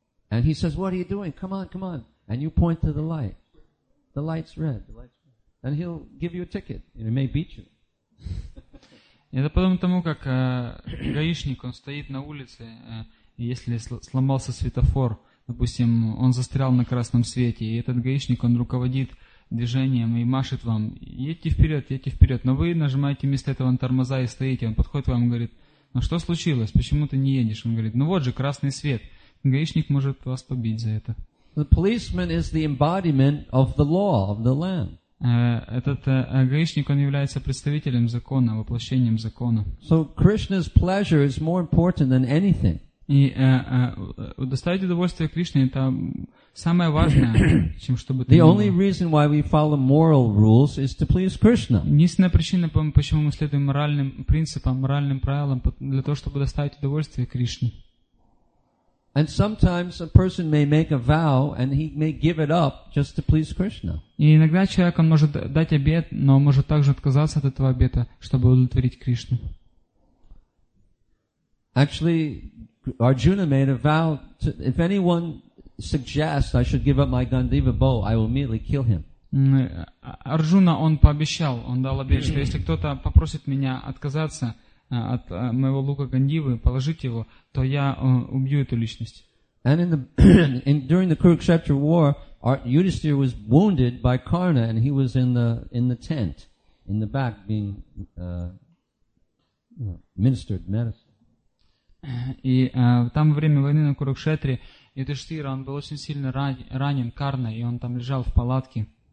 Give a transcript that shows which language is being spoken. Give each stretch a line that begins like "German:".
English: And he says, what are you doing? Come on, come on. And you point to the light. The light's red. And he'll give you a ticket. And he may beat you.
Russian: Это потом тому, как гаишник, он стоит на улице, если сломался светофор, допустим, он застрял на красном свете, и этот гаишник, он руководит движением и машет вам, едьте вперед, но вы нажимаете вместо этого на тормоза и стоите, он подходит к вам и говорит, ну что случилось, почему ты не едешь? Он говорит, ну вот же красный свет. Гаишник может вас побить за это.
English: The policeman is the embodiment of the law of the land.
Russian: Гаишник, он является представителем закона, воплощением закона.
English: So Krishna's pleasure is more important than anything.
Russian: И доставить удовольствие Кришне это самое важное, чем чтобы.
English: The only reason why we follow moral rules is to please Krishna.
Russian: Единственная причина, почему мы следуем моральным принципам, моральным правилам, для того, чтобы доставить удовольствие Кришне.
English: And sometimes a person may make a vow and he may give it up just to please Krishna.
Russian: И иногда человек он может дать обет, но может также отказаться от этого обета, чтобы удовлетворить Кришну.
English: Actually, Arjuna made a vow to, if anyone suggests I should give up my Gandiva bow, I will immediately kill him.
Russian: Арджуна он пообещал, он дал обет, что если кто-то попросит меня отказаться от моего лука Гандивы, положить его, то я убью эту личность.
English: And during the Kurukshetra war, Yudhisthira was wounded by Karna, and he was in the tent, in the back, being ministered medicine.
Russian: И там во время войны на Курукшетре Юдхиштхира он был очень сильно ранен Карной, и он там лежал в палатке.